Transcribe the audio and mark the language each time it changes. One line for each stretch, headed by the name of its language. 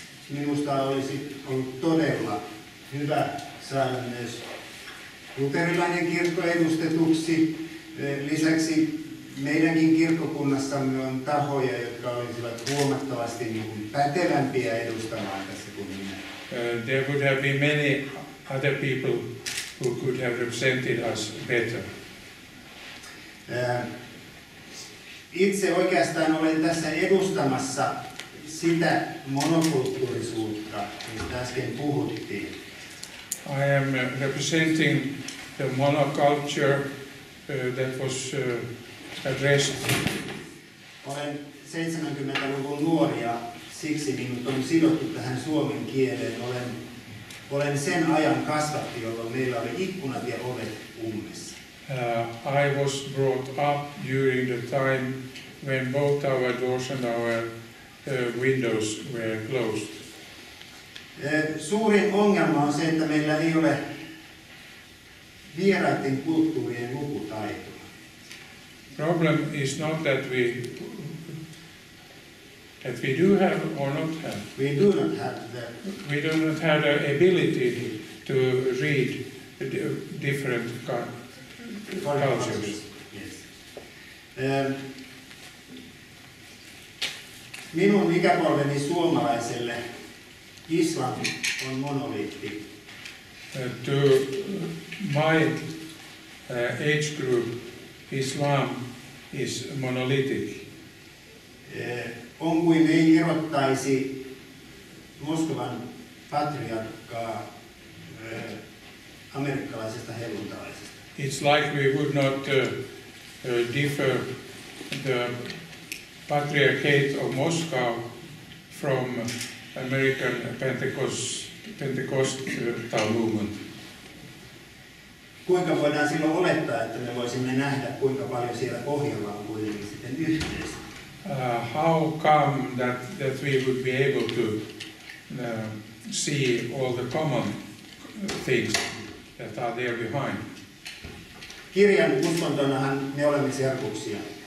Finnish: Minusta olisi ollut todella hyvä saada myös luterilainen kirkko edustetuksi. Lisäksi meidänkin kirkkokunnassamme on tahoja, jotka olisivat huomattavasti pätevämpiä edustamaan tässä kuin minä.
English: There would have been many other people who could have represented us better.
Finnish: Itse oikeastaan olen tässä edustamassa sitä monokulttuurisuutta, mistä äsken puhuttiin.
English: I am representing the monoculture that was addressed.
Finnish: Olen 70-luvun nuori ja siksi minut on sidottu tähän suomen kieleen. Olen sen ajan kasvatti, jolloin meillä oli ikkunat ja ovet ummessa.
English: I was brought up during the time when both our doors and our windows were closed.
Finnish: Suurin ongelma on se, että meillä ei ole vieraiden kulttuurien lukutaitoa.
English: Problem is not that we do have or not have. We do not have the. We do not have the ability to read different cultures. Yes.
Finnish: Minun ikäpolveni suomalaiselle islam on monoliitti.
English: To my age group, Islam is monolithic.
Finnish: On kuin ei erottaisi Moskovan patriarkkaa amerikkalaisesta helluntalaisesta.
English: It's like we would not differ the patriarchate of Moscow from American Pentecostal movement.
Finnish: Kuinka voidaan silloin olettaa, että me voisimme nähdä, kuinka paljon siellä pohjalla on kuitenkin sitten yhteistä?
English: How come that we would be able to see all the common things that are there behind?
Finnish: Kirjan uskontonahan me olemme serkuksia.